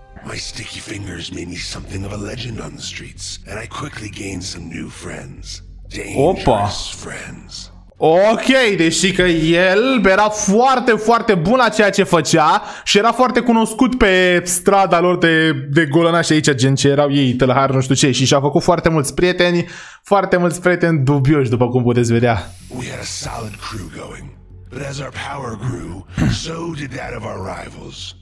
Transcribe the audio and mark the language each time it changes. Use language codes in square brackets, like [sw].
[en] My sticky fingers made me something of a legend on the streets, and I quickly gained some new friends. Dangerous friends. [ro] Ok, deși că el era foarte, foarte bun la ceea ce făcea și era foarte cunoscut pe strada lor de golănași aici, gen ce erau ei, tâlhari, nu știu ce, și și-a făcut foarte mulți prieteni, foarte mulți prieteni dubioși, după cum puteți vedea. [en] We had a solid crew going, but as our power grew, so did that of our rivals.